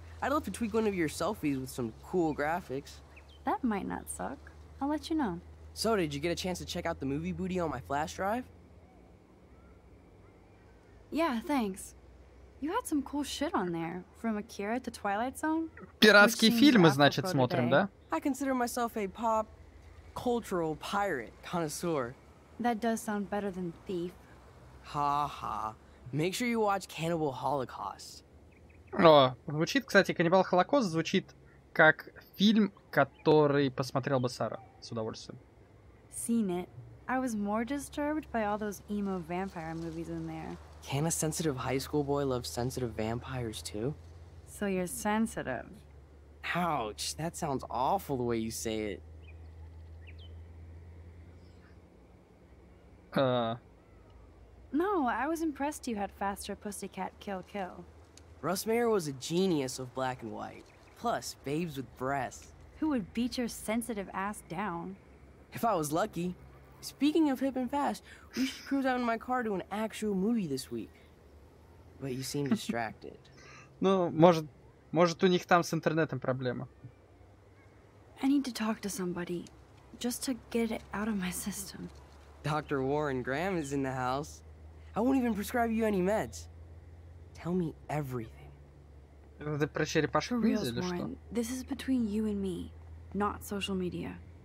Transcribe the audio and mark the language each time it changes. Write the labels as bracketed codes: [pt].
[en] I'd love to tweak one of your selfies with some cool graphics. That might not suck. I'll let you know. So, did you get a chance to check out the movie booty on my flash drive? Yeah, thanks. You had some cool shit on there, from Akira to Twilight Zone. [ru] Пиратские фильмы, значит, смотрим, да? [en] I consider myself a pop cultural pirate connoisseur. That does sound better than thief. Ha ha. Make sure you watch Cannibal Holocaust. [ru] О, звучит, кстати, Каннибал Холокост звучит как фильм, который посмотрел бы Сара с удовольствием. [en] Seen it. I was more disturbed by all those emo vampire movies in there. Can a sensitive high school boy love sensitive vampires too? So you're sensitive. Ouch, that sounds awful the way you say it. No, I was impressed you had faster pussycat kill kill. Russ Meyer was a genius of black and white. Plus, babes with breasts. Who would beat your sensitive ass down? If I was lucky. Speaking of hip and fast, we should cruise out in my car to an actual movie this week. But you seem distracted. [ru] Ну, может у них там с интернетом проблема. [en] I need to talk to somebody, just to get it out of my system. Dr. Warren Graham is in the house. I won't even prescribe you any meds. Tell me everything. [ru] Это про черепашек или что? [en] Warren, this is between you and me, not social media.